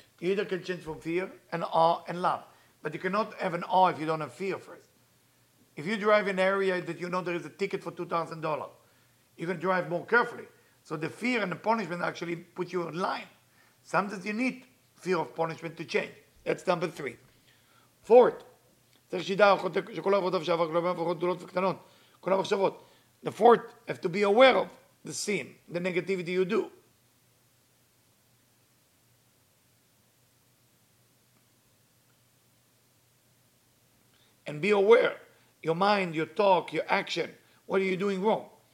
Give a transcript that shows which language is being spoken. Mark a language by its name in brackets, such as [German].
[English] You either can change from fear and awe and love. But you cannot have an awe if you don't have fear first. If you drive in an area that you know there is a ticket for $2,000, you can drive more carefully. So the fear and the punishment actually put you in line. Sometimes you need fear of punishment to change. That's number three. [Hebrew] Fourth, צריך שידע שכל העבודה שעבר כלומר עבורות גדולות וקטנות, כל המחשבות. [English] The fourth, have to be aware of the sin, the negativity you do. And be aware, your mind, your talk, your action, what are you doing wrong?